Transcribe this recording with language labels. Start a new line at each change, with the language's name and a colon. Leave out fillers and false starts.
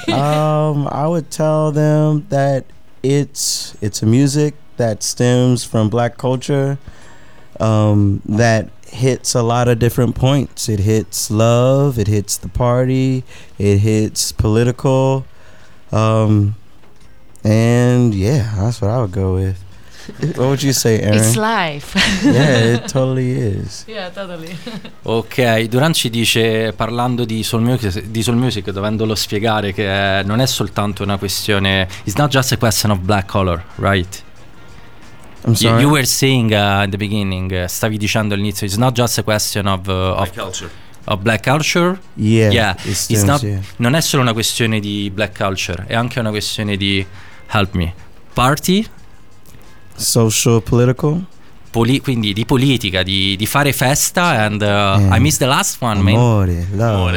English: I would tell them that it's a music that stems from Black culture, that hits a lot of different points. It hits love, it hits the party, it hits political, And yeah, that's what I would go with. What would you say, Aaron? It's life. Yeah, it totally is. Yeah, totally.
Italian: Ok, Durant ci dice, parlando di soul music, dovendolo spiegare, che non è soltanto una questione.
English: It's not just a question of black color, right? I'm sorry. You were saying in the beginning,
Italian: stavi dicendo all'inizio,
English: it's not just a question of black culture. Yeah, yeah.
Italian: Non è solo una questione di black culture, è anche una questione di,
English: help me, party. Social, political.
Italian: Quindi di politica, di fare festa.
English: And I missed the last one.
Italian: Amore, love.